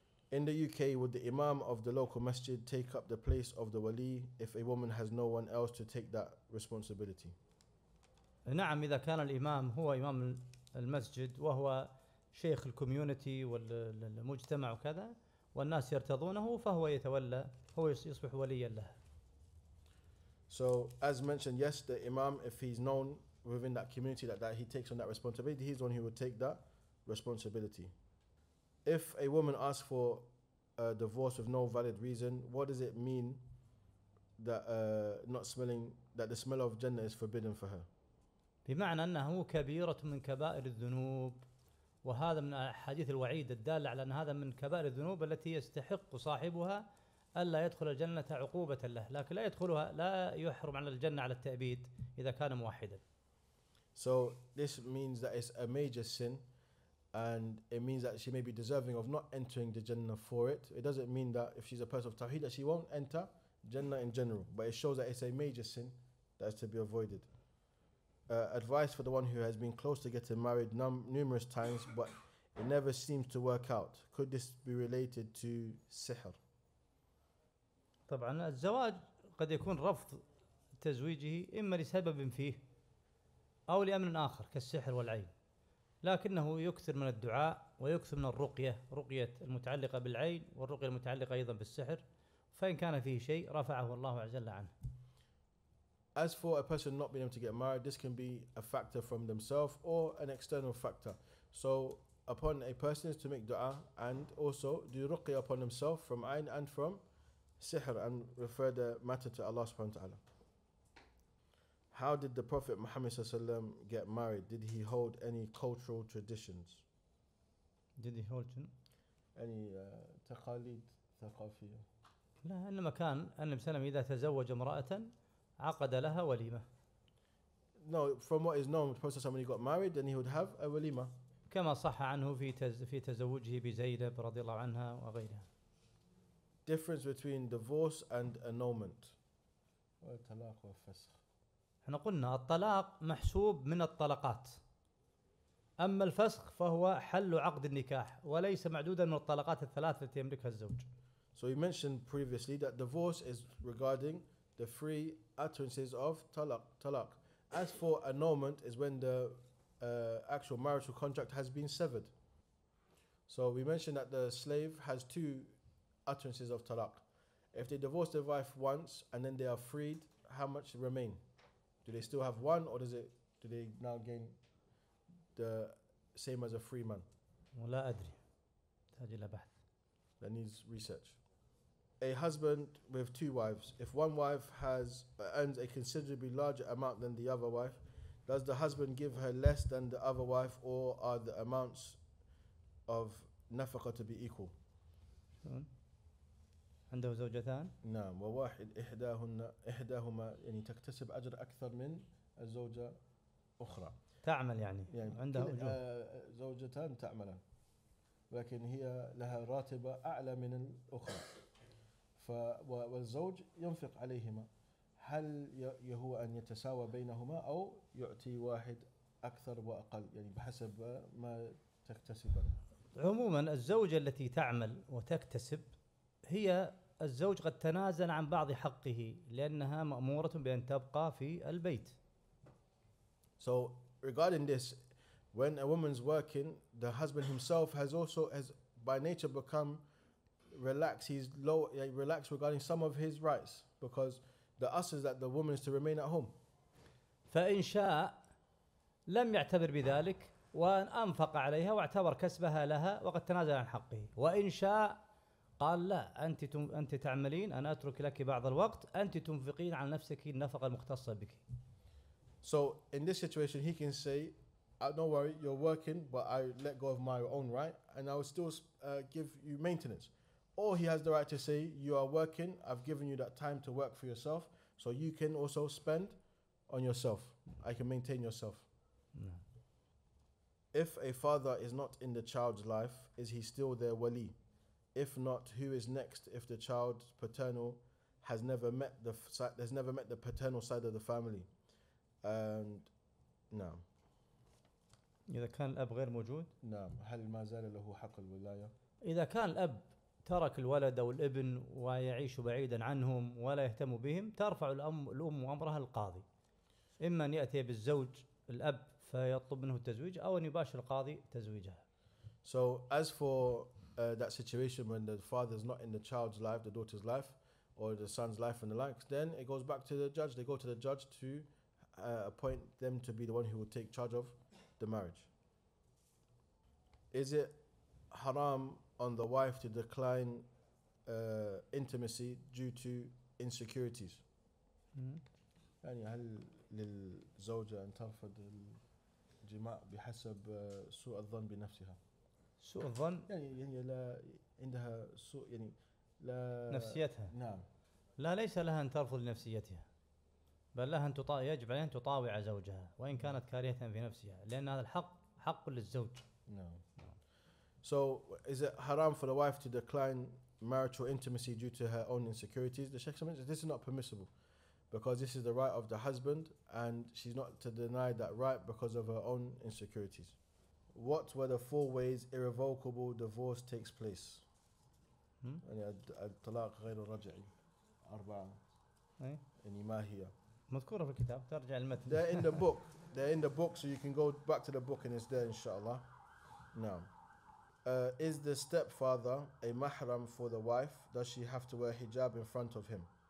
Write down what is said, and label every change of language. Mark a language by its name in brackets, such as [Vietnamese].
[English] In the UK, would the imam of the local masjid take up the place of the wali if a woman has no one else to take that responsibility? [Arabic] نعم إذا كان الإمام هو إمام المسجد وهو شيخ الكوميونتي والمجتمع وكذا والناس يرتضونه فهو يتولى هو يصبح وليا له. [English] So as mentioned, yes, the imam, if he's known within that community that he takes on that responsibility, he's the one who would take that responsibility. If a woman asks for a divorce with no valid reason, what does it mean that not smelling, that the smell of Jannah is forbidden for her? [Arabic] بمعنى أنها كبيرة من كبائر الذنوب وهذا من حديث الوعيد الدال على أن هذا من كبائر الذنوب التي يستحق صاحبها ألا يدخل الجنة عقوبة له لكن لا يدخلها لا يحرم على الجنة على التأبيد إذا كان موحدا. [English] So this means that it's a major sin and it means that she may be deserving of not entering the Jannah for it. It doesn't mean that if she's a person of Tawheed that she won't enter Jannah in general, but it shows that it's a major sin that has to be avoided. Advice for the one who has been close to getting married numerous times, but it never seems to work out. Could this be related to sihr? [Arabic] طبعا الزواج قد يكون رفض تزويجه إما لسبب فيه أو لأمر آخر كالسحر والعين. لكنه يكثر من الدعاء ويكثر من الرقية رقية المتعلقة بالعين والرقية المتعلقة أيضا بالسحر. فإن كان فيه شيء رفعه الله عز وجل عنه. [English] As for a person not being able to get married, this can be a factor from themselves or an external factor. So upon a person is to make dua and also do ruqya upon himself from ayn and from sihr and refer the matter to Allah subhanahu wa ta'ala. How did the Prophet Muhammad sallallahu alayhi wa sallam get married? Did he hold any cultural traditions? Did he hold any [Arabic] taqalid thaqafiyya? La, innama kan annabi sallam idha tazawwaj imra'atan عقد لها وليمة. [English] No, from what is known, the Prophet when he got married, then he would have a وليمة. [Arabic] كما صح عنه في تزوجه بزينب رضي الله عنها وغيرها. [English] Difference between divorce and annulment. [Arabic] والطلاق والفسخ. إحنا قلنا الطلاق محسوب من الطلقات. أما الفسخ فهو حل عقد النكاح وليس معدودا من الطلقات الثلاث التي يملكها الزوج. [English] So we mentioned previously that divorce is regarding the three utterances of talaq. As for annulment is when the actual marital contract has been severed. So we mentioned that the slave has two utterances of talaq. If they divorce their wife once and then they are freed, how much remain? Do they still have one or do they now gain the same as a free man? [Arabic] لا أدري. تحتاج إلى بحث. [English] That needs research. A husband with two wives, if one wife has earns a considerably larger amount than the other wife, does the husband give her less than the other wife or are the amounts of nafaqa to be equal? [Arabic] عنده زوجتان؟ نعم وواحد إحداهن إحداهما يعني تكتسب أجر أكثر من الزوجة أخرى تعمل يعني عندها زوجتان تعمل لكن هي لها راتبة أعلى من الأخرى فوالزوج ينفق عليهما هل يهو أن يتساوى بينهما أو يعطي واحد أكثر وأقل يعني بحسب ما تكتسب عموما الزوجة التي تعمل وتكتسب هي الزوج قد تنازل عن بعض حقه لأنها مأمورة بأن تبقى في البيت. [English] So regarding this, when a woman's working, the husband himself has also has by nature become relaxed. He's low. He relaxed regarding some of his rights because the us is that the woman is to remain at home. [Arabic] فإن شاء لم يعتبر بذلك وأنفق عليها واعتبر كسبها لها وقد تنازل عن حقه. وإن شاء قال لا أنت تعملين أنا أترك لك بعض الوقت أنت تنفقين على نفسك النفقة المختصة بك. [English] So in this situation, he can say, "Don't worry, you're working, but I let go of my own right, and I will still give you maintenance." Or he has the right to say, "You are working. I've given you that time to work for yourself, so you can also spend on yourself. I can maintain yourself." No. If a father is not in the child's life, is he still their wali? If not, who is next if the child's paternal has never met the has never met the paternal side of the family? And [Arabic] نعم. إذا كان الأب غير موجود؟ نعم. هل ما زال له حق الولاية؟ إذا كان الأب ترك الولد أو الابن ويعيش بعيداً عنهم ولا يهتم بهم، ترفع الأم أمرها للقاضي. إما أن يأتي بالزوج الأب فيطلب منه التزويج أو أن يباشر القاضي تزويجها. [English] So as for that situation when the father's not in the child's life, the daughter's life, or the son's life and the likes, then it goes back to the judge. They go to the judge to appoint them to be the one who will take charge of the marriage. Is it haram on the wife to decline intimacy due to insecurities? [Arabic] يعني هل للزوجة أن ترفض الجماع بحسب سوء الظن بنفسها؟ سوء الظن؟ يعني لا عندها سوء يعني لا نفسيتها. نعم. لا ليس لها أن ترفض نفسيتها. بل لها أن يجب عليها أن تطاوع زوجها وإن كانت كارهة في نفسها، لأن هذا الحق حق للزوج. [English] No. So is it haram for the wife to decline marital intimacy due to her own insecurities? The Sheikh says this is not permissible because this is the right of the husband and she's not to deny that right because of her own insecurities. What were the four ways irrevocable divorce takes place? [Arabic] الطلاق غير الرجعي أربعة. إني ما هي مذكورة في الكتاب ترجع المتن. [English] They're in the book. They're in the book, so you can go back to the book and it's there, inshallah. Now, is the stepfather a mahram for the wife? Does she have to wear hijab in front of him?